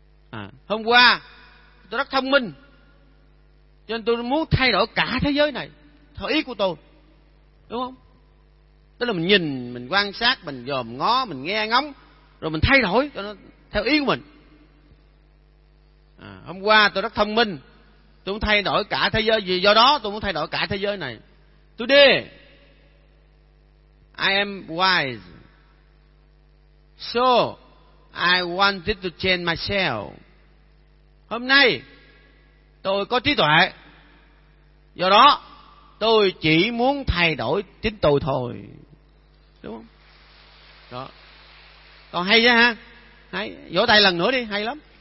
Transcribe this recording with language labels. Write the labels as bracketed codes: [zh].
[vi] À, hôm qua tôi rất thông minh, cho nên tôi muốn thay đổi cả thế giới này theo ý của tôi. Đúng không? Tức là mình nhìn, mình quan sát, mình dòm ngó, mình nghe ngóng, rồi mình thay đổi cho nó theo ý của mình. À, hôm qua tôi rất thông minh, tôi muốn thay đổi cả thế giới, vì do đó tôi muốn thay đổi cả thế giới này. [en] Today I am wise, so I wanted to change myself. [vi] Hôm nay tôi có trí tuệ, do đó tôi chỉ muốn thay đổi chính tôi thôi. Đúng không? Đó. Còn hay chứ ha? Hay, vỗ tay lần nữa đi, hay lắm.